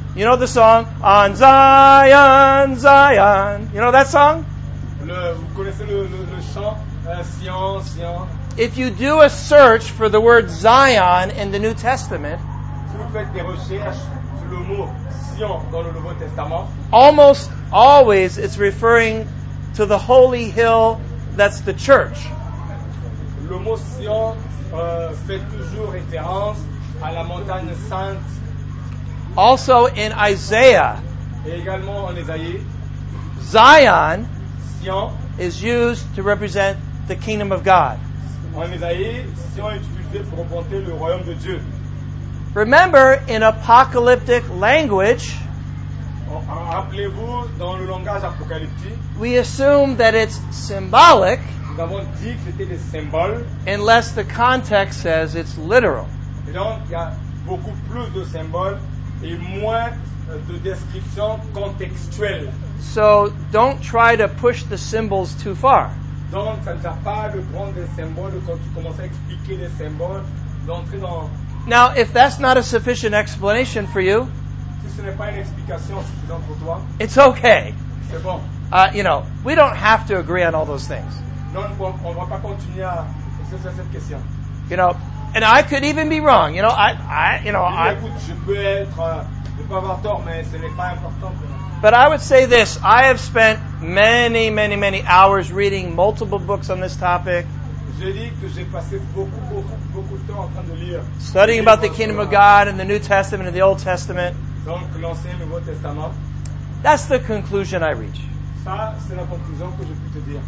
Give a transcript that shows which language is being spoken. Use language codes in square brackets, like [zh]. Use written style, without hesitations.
[en] You know the song, On Zion, Zion. You know that song? [fr] Vous connaissez le chant, Sion, Sion. [en] If you do a search for the word Zion in the New Testament, [fr] si vous faites des recherches sur le mot Sion dans le Nouveau Testament, [en] almost always it's referring to the holy hill that's the church. [fr] Le mot Sion fait toujours référence à la montagne sainte. [en] Also in Isaiah, [fr] également en Isaïe, [en] Zion, [fr] Sion, [en] is used to represent the kingdom of God. [fr] En Isaïe, Sion est utilisé pour représenter le royaume de Dieu. [en] Remember, in apocalyptic language, [fr] rappelez-vous dans le langage apocalyptique, [en] we assume that it's symbolic. [fr] Nous avons dit que c'était des symboles. [en] Unless the context says it's literal. [fr] Et donc, il y a beaucoup plus de symboles et moins de descriptions contextuelles. [en] So, don't try to push the symbols too far. [fr] Donc, ça ne sert pas de prendre des symboles quand tu commences à expliquer les symboles, d'entrer dans... [en] Now, if that's not a sufficient explanation for you, [fr] si ce n'est pas une explication suffisante pour toi, [en] it's okay. [fr] C'est bon. [en] You know, we don't have to agree on all those things. [fr] Non, on va pas continuer à discuter cette question. [en] You know, and I could even be wrong. You know, I [fr] écoute, je peux être, je peux avoir tort, mais ce n'est pas important pour moi. [en] But I would say this: I have spent many, many, many hours reading multiple books on this topic. [fr] Je dis que j'ai passé beaucoup, beaucoup, beaucoup de temps en train de lire. [en] Studying about the kingdom of God and the New Testament and the Old Testament. [fr] Donc l'Ancien et le Nouveau Testament. [en] That's the conclusion I reach. [fr] Ça, c'est la conclusion que je peux te dire.